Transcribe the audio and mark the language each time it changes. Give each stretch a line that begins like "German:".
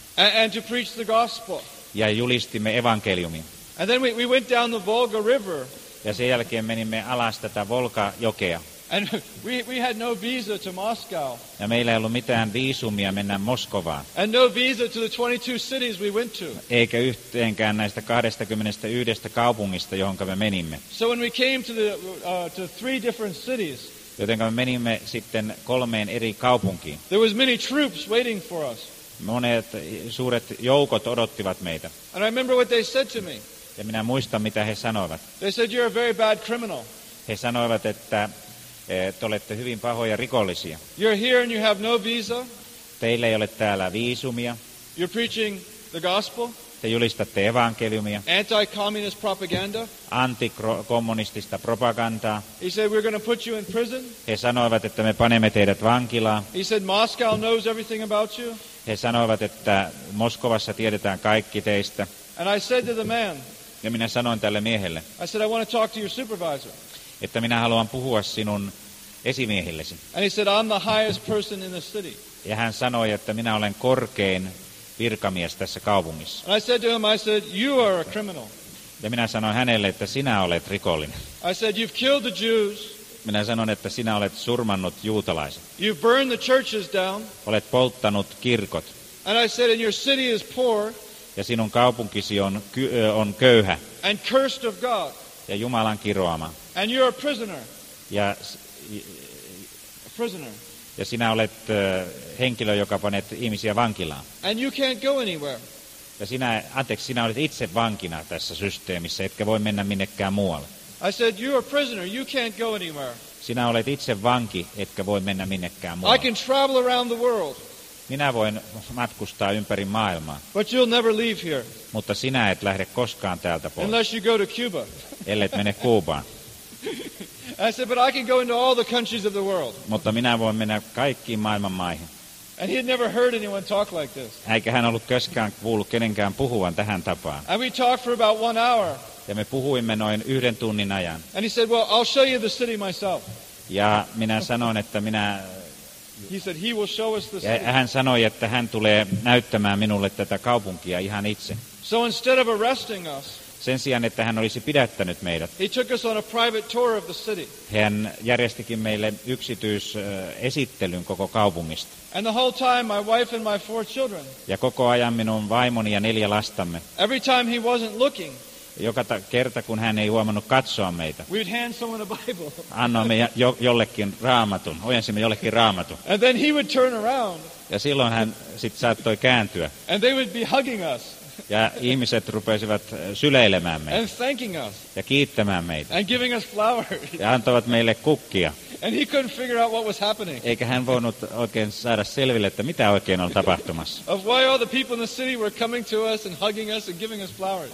English: And to preach the gospel.
Finnish: Ja julistimme evankeliumia.
English: And then we went down the Volga River.
Finnish: Ja sen jälkeen menimme alas tätä Volga-jokea.
English: And we had no visa to Moscow.
Finnish: Ja meillä ei ollut mitään viisumia mennä Moskovaan.
English: And no visa to the 22 cities we went to.
Finnish: Eikä yhteenkään näistä 21 kaupungista, johon me menimme.
English: So when we came to the three different cities.
Finnish: Jotenka me menimme sitten 3 eri kaupunkiin.
English: There was many troops waiting for us.
Finnish: Monet suuret joukot odottivat meitä.
English: And I remember what they said to me.
Finnish: Ja minä muistan, mitä he sanoivat.
English: They said, "You're a very bad criminal."
Finnish: He sanoivat, että te olette hyvin pahoja rikollisia.
English: You're here and you have no visa.
Finnish: Teillä ei ole täällä viisumia.
English: You're preaching the gospel.
Finnish: Te julistatte evankeliumia.
English: Anti-communist propaganda.
Finnish: Antikommunistista propagandaa.
English: He said, "We're going to put you in prison."
Finnish: He sanoivat, että me panemme teidät vankilaan.
English: He said, "Moscow knows everything about you."
Finnish: He sanoivat, että Moskovassa tiedetään kaikki teistä.
English: And I said to the man.
Finnish: Ja minä sanoin tälle miehelle.
English: I said, "I want to talk to your supervisor."
Finnish: Että minä haluan puhua sinun esimiehillesi.
English: And he said, "I'm the highest person in the city."
Finnish: Ja hän sanoi, että minä olen korkein virkamies tässä kaupungissa.
English: And I said to him, I said, "You are a criminal."
Finnish: Ja minä sanoin hänelle, että sinä olet rikollinen.
English: I said, "You've killed the Jews."
Finnish: Minä sanoin, että sinä olet surmannut juutalaiset.
English: "You've burned the churches down."
Finnish: Olet polttanut kirkot.
English: And I said, "And your city is poor."
Finnish: Ja sinun kaupunkisi on köyhä.
English: "And cursed of God."
Finnish: Ja Jumalan kiroama.
English: "And you're a prisoner."
Finnish: Ja
English: a prisoner.
Finnish: Ja sinä olet henkilö, joka panet ihmisiä vankilaan.
English: "And you can't go anywhere."
Finnish: Ja sinä olet itse vankina tässä systeemissä, etkä voi mennä minnekään muualle.
English: I said, "You are a prisoner. You can't go anywhere."
Finnish: Sinä olet itse vanki, etkä voi mennä minnekään muualle.
English: I can travel around the world.
Finnish: Minä voin matkustaa ympäri maailmaa.
English: But you'll never leave here.
Finnish: Mutta sinä et lähde koskaan täältä pois.
English: Unless you go to Cuba.
Finnish: Ellet mene Kuubaan.
English: I said, "But I can go into all the countries of the world."
Finnish: Mutta minä voin mennä kaikkiin maailman maihin.
English: And he'd never heard anyone talk like this.
Finnish: Eikä hän ollut koskaan kuullut kenenkään puhuvan tähän tapaan.
English: And we talked for about 1 hour.
Finnish: Ja me puhuimme noin yhden tunnin ajan.
English: And he said, "Well, I'll show you the city myself."
Finnish: Ja minä sanoin, että minä.
English: He said he will show us the city.
Finnish: Ja hän sanoi, että hän tulee näyttämään minulle tätä kaupunkia ihan itse.
English: So instead of arresting us.
Finnish: Sen sijaan, että hän olisi pidättänyt meidät.
English: He took us on a private tour of the city.
Finnish: Hän järjestikin meille yksityisesittelyn koko kaupungista.
English: And the whole time my wife and my 4 children.
Finnish: Ja koko ajan minun vaimoni ja 4 lastamme.
English: Every time he wasn't looking.
Finnish: Joka kerta, kun hän ei huomannut katsoa meitä.
English: We'd hand someone a Bible.
Finnish: Annoimme jollekin raamatun. Ojensimme jollekin raamatun.
English: And then he would turn around.
Finnish: Ja silloin hän sit saattoi kääntyä.
English: And they would be hugging us.
Finnish: Ja ihmiset rupesivat syleilemään meitä.
English: And thanking us.
Finnish: Ja kiittämään meitä.
English: And giving us flowers.
Finnish: Ja antavat meille kukkia.
English: And he couldn't figure out what was happening.
Finnish: Eikä hän voinut oikein saada selville, että mitä oikein on tapahtumassa.
English: Of why all the people in the city were coming to us and hugging us and giving us flowers.